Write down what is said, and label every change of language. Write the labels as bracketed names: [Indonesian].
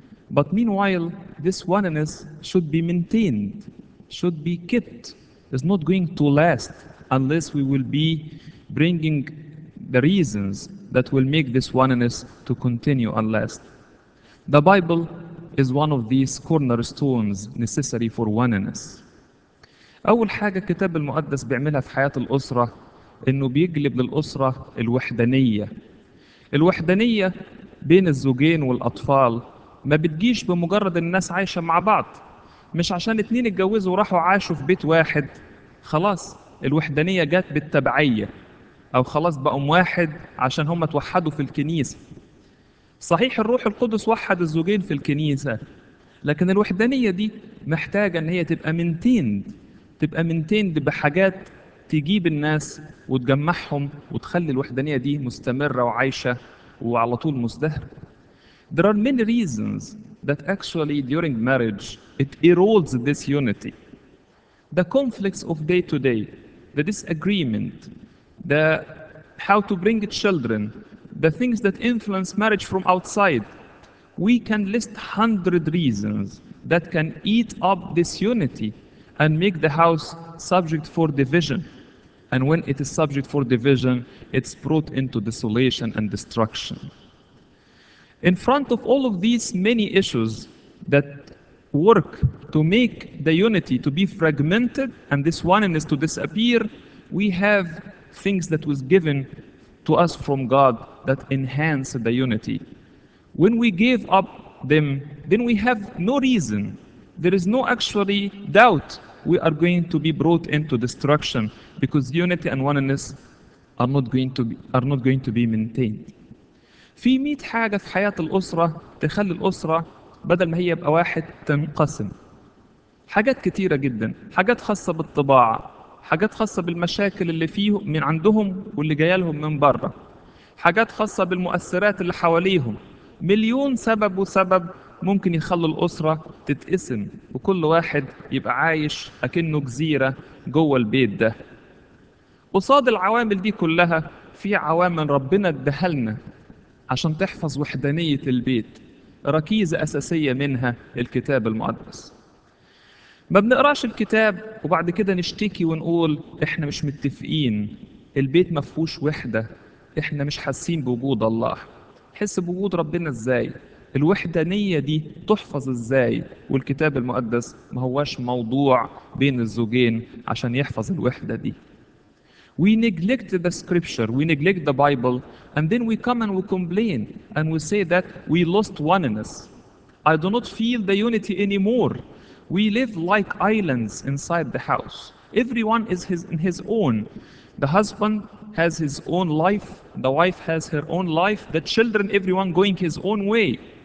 [English] But meanwhile, this oneness should be maintained, should be kept. It's not going to last unless we will be bringing the reasons that will make this oneness to continue and last. The Bible is one of these cornerstones necessary for oneness. [Arabic] أول حاجة الكتاب المقدس بيعملها في حياة الأسرة إنه بيجلب للأسرة الوحدانية. الوحدانية بين الزوجين والأطفال ما بتجيش بمجرد الناس عايشة مع بعض. مش عشان اتنين اتجوزوا وراحوا عاشوا في بيت واحد خلاص الوحدانية جات بالتبعية، أو خلاص بقوا واحد عشان هم توحدوا في الكنيسة. صحيح الروح القدس وحد الزوجين في الكنيسة، لكن الوحدانية دي محتاجة إن هي تبقى مينتيند. تبقى منتند بحاجات تجيب الناس وتجمعهم وتخلي الوحدانية دي مستمرة وعايشة وعلى طول مزدهر. [English] There are many reasons that actually during marriage it erodes this unity. The conflicts of day to day, the disagreement, the how to bring children, the things that influence marriage from outside. We can list 100 reasons that can eat up this unity and make the house subject for division. And when it is subject for division, it's brought into desolation and destruction. In front of all of these many issues that work to make the unity to be fragmented and this oneness to disappear, we have things that was given to us from God that enhance the unity. When we give up them, then we have no reason. There is no actually doubt we are going to be brought into destruction because unity and oneness are not going to be maintained. [Arabic] في 100 حاجة في حياة الأسرة تخلي الأسرة بدل ما هي يبقى واحد تنقسم. حاجات كتيرة جدا، حاجات خاصة بالطباع، حاجات خاصة بالمشاكل اللي فيه من عندهم واللي جاية لهم من بره، حاجات خاصة بالمؤثرات اللي حواليهم. مليون سبب وسبب ممكن يخلوا الأسرة تتقسم وكل واحد يبقى عايش أكنه جزيرة جوه البيت ده. قصاد العوامل دي كلها في عوامل ربنا ادهلنا عشان تحفظ وحدانية البيت، ركيزة أساسية منها الكتاب المقدس. ما بنقراش الكتاب وبعد كده نشتكي ونقول إحنا مش متفقين، البيت مفهوش وحدة، إحنا مش حاسين بوجود الله. حس بوجود ربنا إزاي؟ الوحدانية دي تحفظ ازاي؟ والكتاب المقدس ما هواش موضوع بين الزوجين عشان يحفظ الوحدة دي. [English] We neglect the scripture, we neglect the Bible, and then we come and we complain and we say that we lost oneness. I do not feel the unity anymore. We live like islands inside the house. Everyone is in his own. The husband has his own life, the wife has her own life, the children, everyone going his own way.